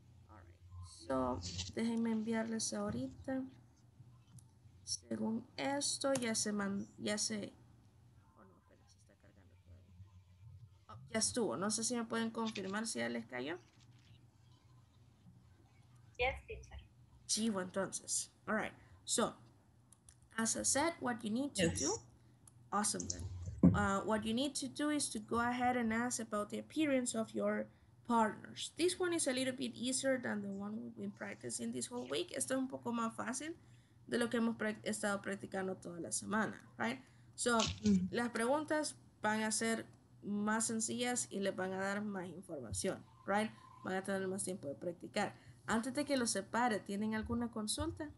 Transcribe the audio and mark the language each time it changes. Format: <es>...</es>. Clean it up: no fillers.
<en>All right, so</en> <es>déjenme enviarles ahorita. Según esto, ya estuvo. No sé si me pueden confirmar si ya les cayó.</es> <en>Yes, teacher.</en> <es>Chivo, entonces.</es> <en>All right. So, as I said, what you need to do. Awesome, then. What you need to do is to go ahead and ask about the appearance of your partners. This one is a little bit easier than the one we've been practicing this whole week.</en> <es>Esto es un poco más fácil de lo que hemos estado practicando toda la semana,</es> <en>right?</en> <es>So, las preguntas van a ser más sencillas y les van a dar más información,</es> <en>right?</en> <es>Van a tener más tiempo de practicar. antes de que los separe, ¿tienen alguna consulta?</es>